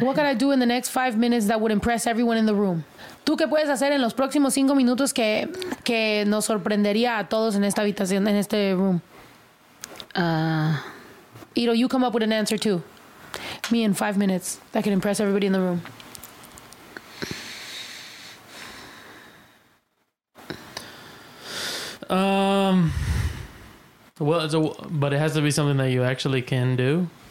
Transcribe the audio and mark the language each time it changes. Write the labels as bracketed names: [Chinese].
[English] What can I do in the next 5 minutes that would impress everyone in the room? [Spanish] ¿Tú qué puedes hacer en los próximos 5 minutos que nos sorprendería a todos en esta habitación, en este room? [English] Ito, you come up with an answer too. Me in 5 minutes. That can impress everybody in the room. But it has to be something that you actually can do.